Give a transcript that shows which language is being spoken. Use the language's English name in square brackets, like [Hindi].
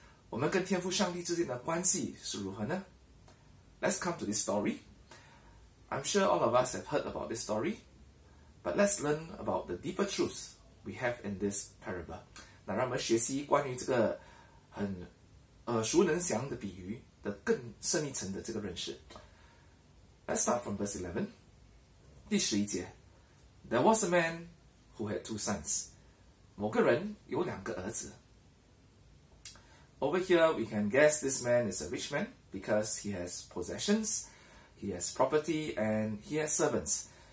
[Chinese] 我们跟天父上帝之间的关系是如何呢？ [English] Let's come to this story. I'm sure all of us have heard about this story, but let's learn about the deeper truths we have in this parable. [Chinese] 那让我们学习关于这个很耳熟能详的比喻的更深一层的这个认识。 [English] Let's start from verse 11. [Chinese] 第十一节, [English] There was a man who had two sons. [Chinese] 某个人有两个儿子。 [English] Over here, we can guess this man is a rich man because he has possessions, he has property, and he has servants.